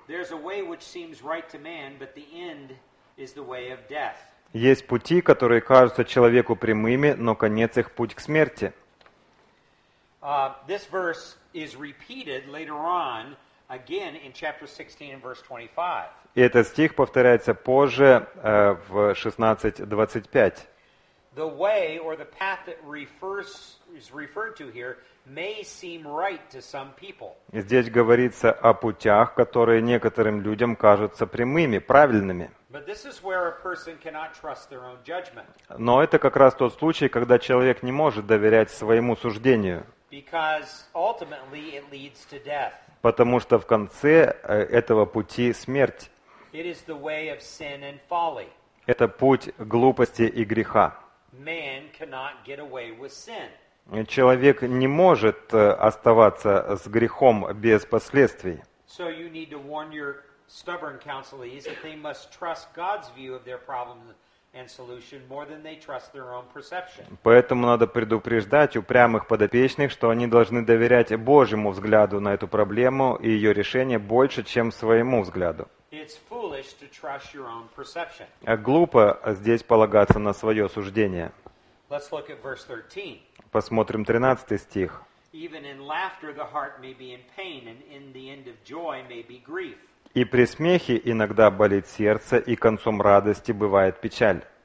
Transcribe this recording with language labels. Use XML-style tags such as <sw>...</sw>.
<en>There's a way which seems right to man, but the end is the way of death.</en> <ru>Есть пути, которые кажутся человеку прямыми, но конец их путь к смерти.</ru> <en>This verse is repeated later on again in chapter 16 and verse 25.</en> <ru>И этот стих повторяется позже в 16:25.</ru> <en>The way or the path that is referred to here may seem right to some people.</en> <ru>Здесь говорится о путях, которые некоторым людям кажутся прямыми, правильными.</ru> <en>But this is where a person cannot trust their own judgment.</en> <ru>Но это как раз тот случай, когда человек не может доверять своему суждению.</ru> <en>Because ultimately it leads to death.</en> <ru>Потому что в конце этого пути смерть.</ru> <en>It is the way of sin and folly.</en> <ru>Это путь глупости и греха.</ru> <en>Man cannot get away with sin.</en> <ru>Человек не может оставаться с грехом без последствий.</ru> <en>So you need to warn your stubborn counselees that they must trust God's view of their problems and solution more than they trust their own perception.</en> <ru>Поэтому надо предупреждать упрямых подопечных, что они должны доверять Божьему взгляду на эту проблему и ее решение больше, чем своему взгляду.</ru> <en>It's foolish to trust your own perception.</en> <ru>Глупо здесь полагаться на свое суждение.</ru> <en>Let's look at verse 13.</en> <ru>Посмотрим 13 стих.</ru> <en>Even in laughter the heart may be in pain, and in the end of joy may be grief.</en> <ru>И при смехе иногда болит сердце, и концом радости бывает печаль.</ru>